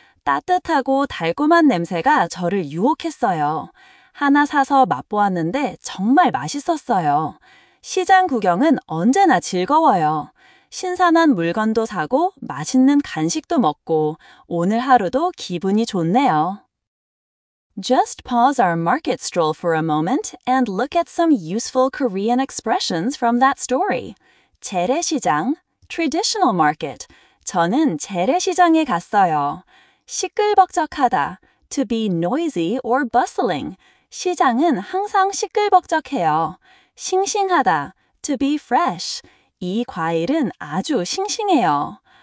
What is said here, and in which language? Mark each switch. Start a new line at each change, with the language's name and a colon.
Korean: 따뜻하고 달콤한 냄새가 저를 유혹했어요. 하나 사서 맛보았는데 정말 맛있었어요. 시장 구경은 언제나 즐거워요. 신선한 물건도 사고 맛있는 간식도 먹고 오늘 하루도 기분이 좋네요.
English: Just pause our market stroll for a moment and look at some useful Korean expressions from that story.
Korean: 재래시장,
English: traditional market.
Korean: 저는 재래시장에 갔어요. 시끌벅적하다,
English: to be noisy or bustling.
Korean: 시장은 항상 시끌벅적해요. 싱싱하다,
English: to be fresh.
Korean: 이 과일은 아주 싱싱해요.